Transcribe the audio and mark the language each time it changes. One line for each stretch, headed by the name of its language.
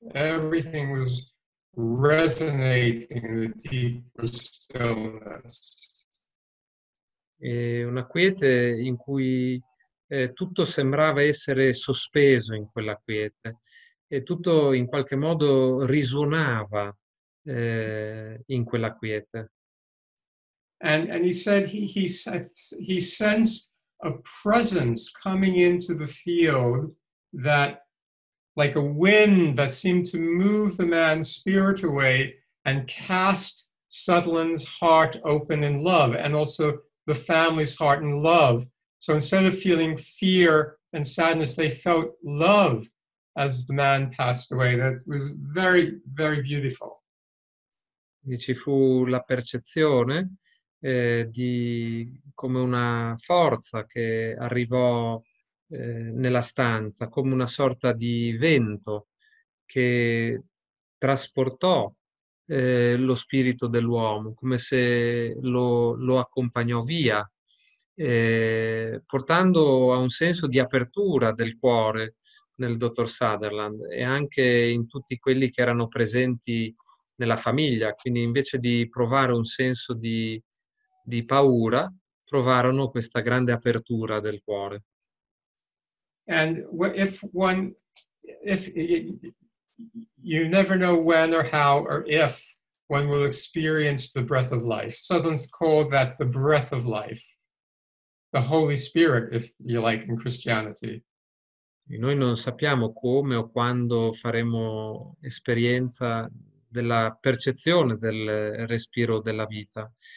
English: Everything was resonating in the deeper stillness.
Italian: E una quiete in cui tutto sembrava essere sospeso in quella quiete e tutto in qualche modo risuonava in quella quiete.
English: And he said he sensed a presence coming into the field that like a wind that seemed to move the man's spirit away and cast Sutherland's heart open in love and also the family's heart in love. So instead of feeling fear and sadness, they felt love as the man passed away. That was very, very beautiful.
Italian: E ci fu la percezione di come una forza che arrivò nella stanza, come una sorta di vento che trasportò lo spirito dell'uomo, come se lo accompagnò via, portando a un senso di apertura del cuore nel dottor Sutherland e anche in tutti quelli che erano presenti nella famiglia. Quindi invece di provare un senso di paura, provarono questa grande apertura del cuore.
English: And if one, if you never know when or how or if one will experience the breath of life. Sutherland's called that the breath of life, the Holy Spirit, if you like, in Christianity.
Italian: E noi non sappiamo come o quando faremo esperienza della percezione del respiro della vita.